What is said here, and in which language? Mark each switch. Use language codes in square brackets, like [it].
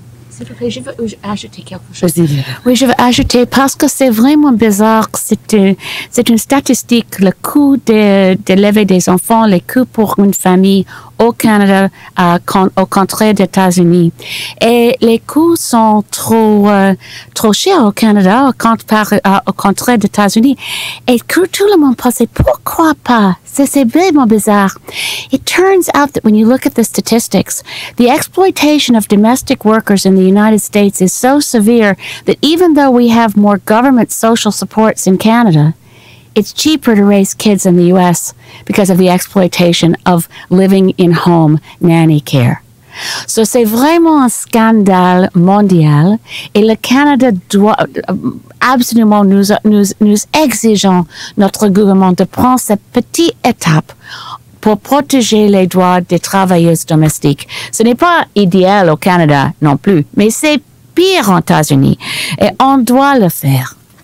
[fr] S'il vous plaît, je veux ajouter quelque chose. Vas-y. Oui, je veux ajouter parce que c'est vraiment bizarre que c'est une statistique, le coût d'élever des enfants, les coûts pour une famille au Canada, au contraire des États-Unis. Et les coûts sont trop chers au Canada, au contraire des États-Unis. Et que tout le monde pensait, pourquoi pas? C'est vraiment bizarre. [en] It turns out that when you look at the statistics, the exploitation of domestic workers in the United States is so severe that even though we have more government social supports in Canada, it's cheaper to raise kids in the U.S. because of the exploitation of living in home nanny care. [fr] So c'est vraiment un scandale mondial et le Canada doit absolument nous exigeons notre gouvernement de prendre cette petite étape pour protéger les droits des travailleuses domestiques. Ce n'est pas idéal au Canada non plus, mais c'est pire aux États-Unis et on doit le faire.